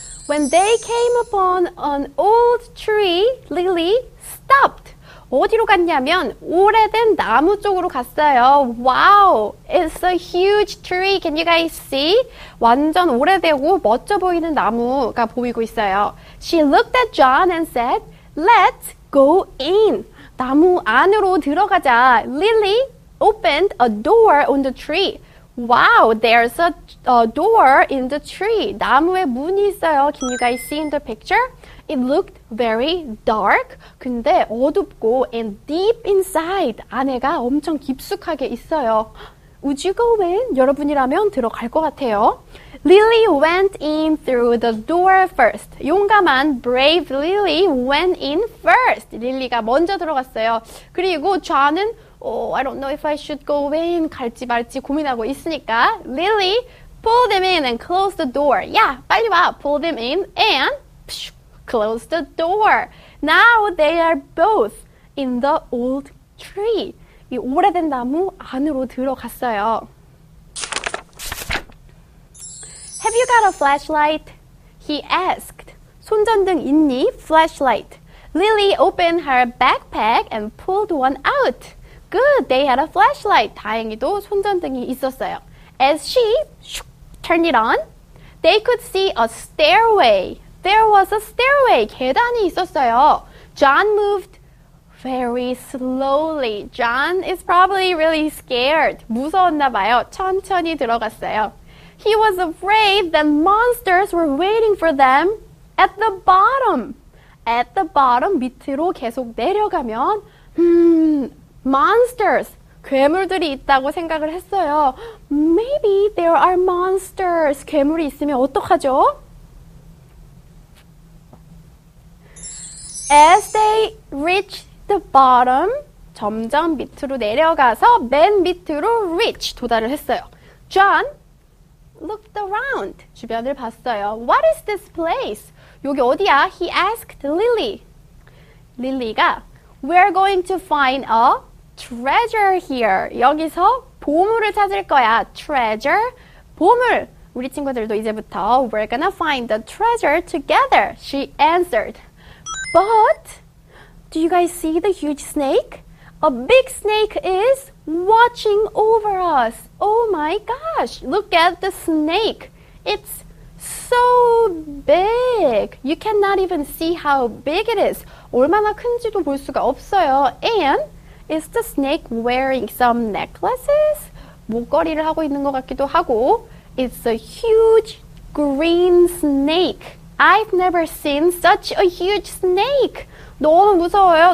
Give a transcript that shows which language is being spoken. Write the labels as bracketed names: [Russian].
[English] When they came upon an old tree, Lily stopped. [Korean] 어디로 갔냐면 오래된 나무 쪽으로 갔어요. [English] Wow, it's a huge tree. Can you guys see? [Korean] 완전 오래되고 멋져 보이는 나무가 보이고 있어요. [English] She looked at John and said, Let's go in. [Korean] 나무 안으로 들어가자. [English] Lily opened a door on the tree. Wow, there's a door in the tree. [Korean] 나무에 문이 있어요. [English] Can you guys see in the picture? It looked very dark. [Korean] 근데 어둡고 [English] and deep inside [Korean] 안에가 엄청 깊숙하게 있어요. [English] Would you go in? [Korean] 여러분이라면 들어갈 것 같아요. [English] Lily went in through the door first. 용감한 brave Lily went in first. [Korean] 릴리가 먼저 들어갔어요. 그리고 존은 [English] Oh, I don't know if I should go in. [Korean] 갈지 말지 고민하고 있으니까. [English] Lily, pull them in and close the door. [Korean] 야, 빨리 와. [English] Pull them in and close the door. Now they are both in the old tree. [Korean] 이 오래된 나무 안으로 들어갔어요. [English] Have you got a flashlight? He asked. [Korean] 손전등 있니? Flashlight. [English] Lily opened her backpack and pulled one out. Good, they had a flashlight. [Korean] 다행히도 손전등이 있었어요. [English] As she turned it on, they could see a stairway. There was a stairway. [Korean] 계단이 있었어요. [English] John moved very slowly. John is probably really scared. [Korean] 무서웠나 봐요. 천천히 들어갔어요. [English] He was afraid that monsters were waiting for them at the bottom. At the bottom, [Korean] 밑으로 계속 내려가면, Monsters, 괴물들이 있다고 생각을 했어요. [English] Maybe there are monsters. [Korean] 괴물이 있으면 어떡하죠? [English] As they reach the bottom, [Korean] 점점 밑으로 내려가서 맨 밑으로 reach 도달을 했어요. [English] John looked around. [Korean] 주변을 봤어요. [English] What is this place? [Korean] 여기 어디야? [English] He asked Lily. 릴리가 We're going to find a Treasure here. [Korean] 여기서 보물을 찾을 거야. [English] Treasure. 보물. [Korean] 우리 친구들도 이제부터 [English] We're gonna find the treasure together. She answered. But do you guys see the huge snake? A big snake is watching over us. Oh my gosh. Look at the snake. It's so big. You cannot even see how big it is. [Korean] 얼마나 큰지도 볼 수가 없어요. [English] And Is the snake wearing some necklaces? [Korean] 목걸이를 하고 있는 것 같기도 하고. [English] It's a huge green snake. I've never seen such a huge snake. [Korean] 너무 무서워요.